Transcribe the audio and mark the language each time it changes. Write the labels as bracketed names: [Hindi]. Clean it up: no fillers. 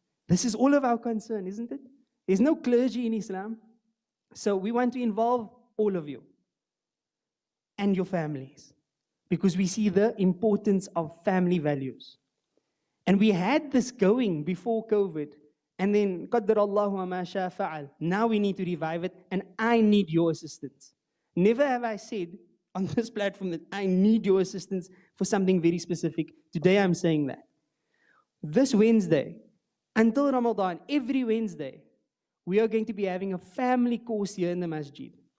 [English] This is all of our concern, isn't it? There's no clergy in Islam. So we want to involve all of you and your families, because we see the importance of family values. And we had this going before COVID, And then [Arabic] قدر الله وما شاء فعل. [English] Now we need to revive it, and I need your assistance. Never have I said on this platform that I need your assistance for something very specific. Today I'm saying that. This Wednesday, until Ramadan, every Wednesday, we are going to be having a family course here in the Masjid.